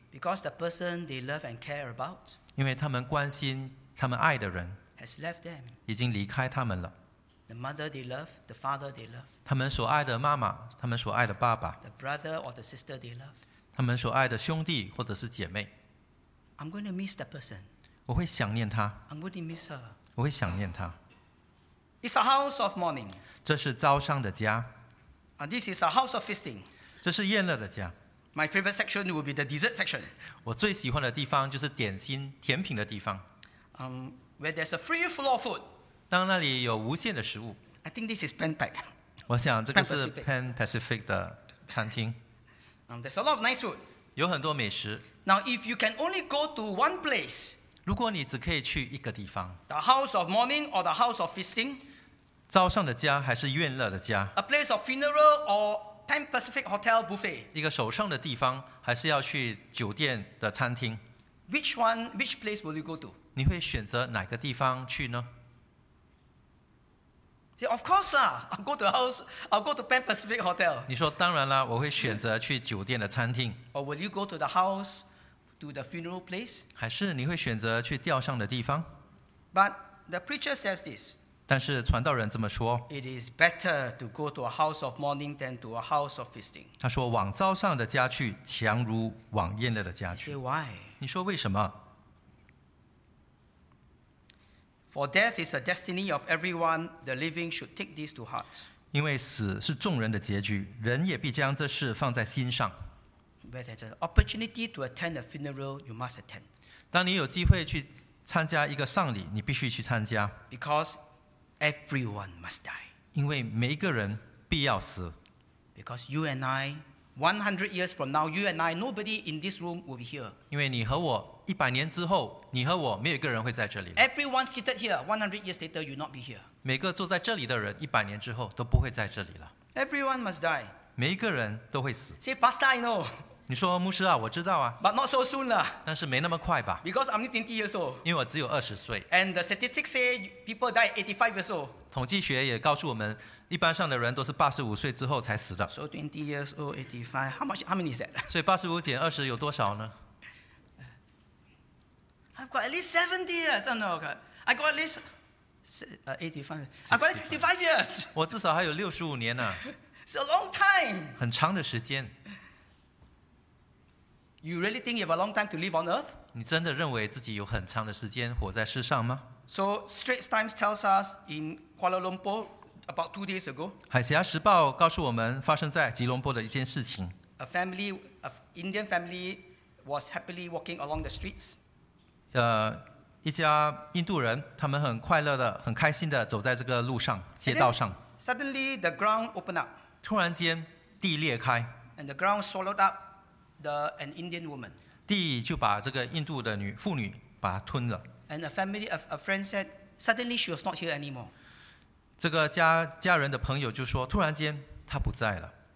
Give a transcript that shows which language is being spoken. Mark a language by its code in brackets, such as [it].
[en] Because the person they love and care about, [zh] 因为他们关心、他们爱的人， [en] has left them. [zh] 已经离开他们了。 [en] The mother they love, the father they love. [zh] 他们所爱的妈妈，他们所爱的爸爸。 [en] The brother or the sister they love. [zh] 他们所爱的兄弟或者是姐妹。 [en] I'm going to miss that person. [zh] 我会想念他。 [en] I'm going to miss her. [zh] 我会想念他。 [en] It's a house of mourning. [zh] 这是灶上的家。 [en] And this is a house of feasting. [zh] 这是宴乐的家。 [en] My favorite section will be the dessert section. [zh] 我最喜欢的地方就是点心、甜品的地方。 [en] Where there's a free flow of food. [zh] 当那里有无限的食物。 [en] I think this is Pan Pac. [zh] 我想这个是 Pan Pacific 的餐厅。 [en] There's a lot of nice food. [zh] 有很多美食。 [en] Now, if you can only go to one place, [zh] 如果你只可以去一个地方， [en] the house of mourning or the house of feasting, [zh] 灶上的家还是宴乐的家， [en] a place of funeral or Pan Pacific hotel buffet, [zh] 一个手上的地方还是要去酒店的餐厅， [en] which place will you go to? [zh] 你会选择哪个地方去呢？ [en] Of course, I'll go to the house. I'll go to Pan Pacific Hotel. [zh] 你说当然了，我会选择去酒店的餐厅。 [en] Or will you go to the house, to the funeral place? [zh] 还是你会选择去吊上的地方？ [en] But the preacher says this. [zh] 但是传道人这么说。 [en] It is better to go to a house of mourning than to a house of feasting. [zh] 他说往灶上的家去，强如往宴乐的家去。 [en] Why? [zh] 你说为什么？ [en] For death is the destiny of everyone, the living should take this to heart. [zh] 因为死是众人的结局，人也必将这事放在心上。 [en] Where there's an opportunity to attend a funeral, you must attend. [zh] 当你有机会去参加一个丧礼，你必须去参加。 [en] Because everyone must die. [zh] 因为每一个人必要死。 [en] Because you and I, 100 years from now, you and I, nobody in this room will be here. [zh] 因为你和我一百年之后，你和我没有一个人会在这里。 [en] Everyone seated here, 100 years later, you'll not be here. [zh] 每个坐在这里的人，一百年之后都不会在这里了。 [en] Everyone must die. [zh] 每一个人都会死。 [en] Say, Pastor, I know. [zh] 你说牧师啊，我知道啊。 [en] But not so soon lah. [zh] 但是没那么快吧。 [en] Because I'm only 20 years old. [zh] 因为我只有二十岁。 [en] And the statistics say people die 85 years old. [zh] 统计学也告诉我们，一般上的人都是八十五岁之后才死的。 [en] So 20 years old, 85. How many is that? [zh] 所以八十五减二十有多少呢？ [en] I've got at least 70 years. Oh, no, okay. I got at least 85. I've got 65 years. [zh] 我至少还有65年呢。 [en] It's a long time. [zh] 很长的时间。 [en] You really think you have a long time to live on earth? [zh] 你真的认为自己有很长的时间活在世上吗？ [en] So, Straits Times tells us in Kuala Lumpur about 2 days ago. [zh] 海峡时报告诉我们发生在吉隆坡的一件事情。 [en] A family, an Indian family was happily walking along the streets. [zh] 一家印度人，他们很快乐的、很开心的走在这个路上、街道上。 [en] Suddenly, the ground opened up. [zh] 突然间，地裂开。 [en] And the ground swallowed up an Indian woman. [zh] 地就把这个印度的妇女把她吞了。 [en] And a friend said, suddenly she was not here anymore. [zh] 这个家人的朋友就说，突然间她不在了。